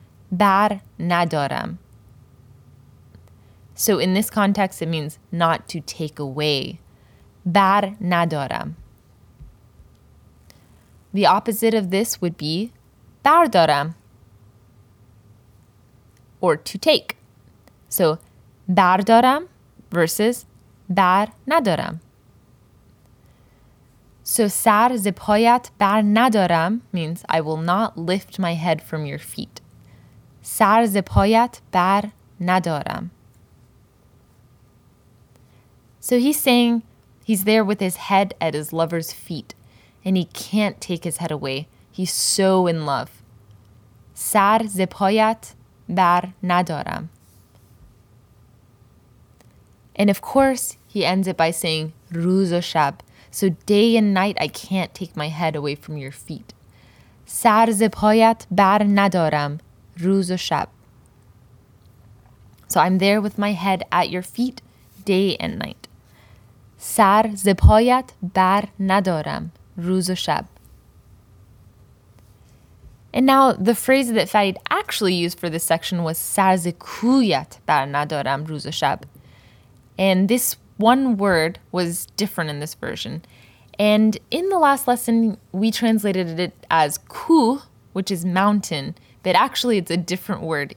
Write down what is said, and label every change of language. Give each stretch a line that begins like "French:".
Persian: بر ندارم.
English: So in this context, it means not to take away.
Persian: بر ندارم.
English: The opposite of this would be بردارم. Or to take. So بردارم versus بر ندارم. So
Persian: سر ز پایت بر ندارم
English: means I will not lift my head from your feet.
Persian: سر ز پایت بر ندارم.
English: So he's saying he's there with his head at his lover's feet and he can't take his head away. He's so in love.
Persian: سر ز پایت بر ندارم.
English: And of course, he ends it by saying
Persian: روز و شب.
English: So day and night, I can't take my head away from your feet.
Persian: سر ز پایت بر ندارم روز و شب.
English: So I'm there with my head at your feet day and night.
Persian: سر ز پایت بر ندارم روز و شب.
English: And now the phrase that Farid actually used for this section was
Persian: سر ز کویت بر ندارم روز و شب.
English: And this one word was different in this version. And in the last lesson, we translated it as ku, which is mountain, but actually it's a different word.